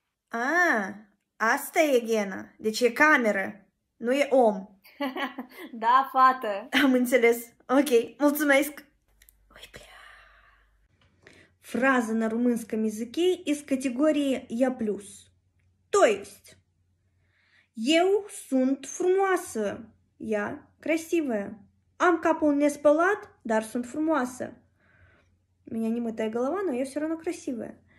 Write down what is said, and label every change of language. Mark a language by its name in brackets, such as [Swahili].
[Romanian] А, астая Гена. Де че камеры? Ну и ом. Da, fată. Am înțeles. Ok, mulțumesc. [Russian] Ой, бля. Фраза на румынском языке из категории я плюс. То есть [Romanian] eu sunt frumoasă. [Russian] Я красивая. [Romanian] Am capul nespălat, dar sunt frumoasă. [Russian] У меня не мытая голова, но я все равно красивая.